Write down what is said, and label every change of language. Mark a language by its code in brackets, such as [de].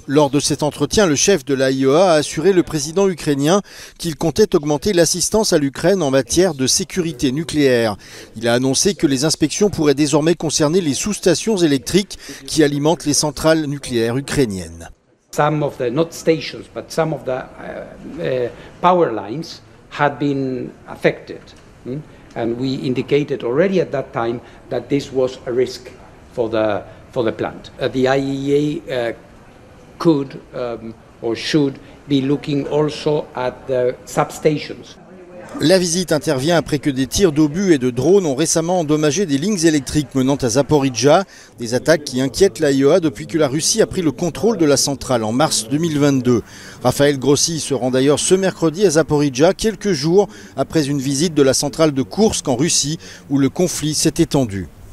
[fr] Lors de cet entretien, le chef de l'AIEA a assuré le président ukrainien qu'il comptait augmenter l'assistance à l'Ukraine en matière de sécurité nucléaire. Il a annoncé que les inspections pourraient désormais concerner les sous-stations électriques qui alimentent les centrales nucléaires ukrainiennes. [en] Some of the, not stations, but some of the power lines had been affected. And we indicated already at that time that this was a risk for the plant. The IAEA could or should be looking also at the substations. [fr] La visite intervient après que des tirs d'obus et de drones ont récemment endommagé des lignes électriques menant à Zaporijja, des attaques qui inquiètent l'AIEA depuis que la Russie a pris le contrôle de la centrale en mars 2022. Raphaël Grossi se rend d'ailleurs ce mercredi à Zaporijja, quelques jours après une visite de la centrale de Koursk en Russie, où le conflit s'est étendu.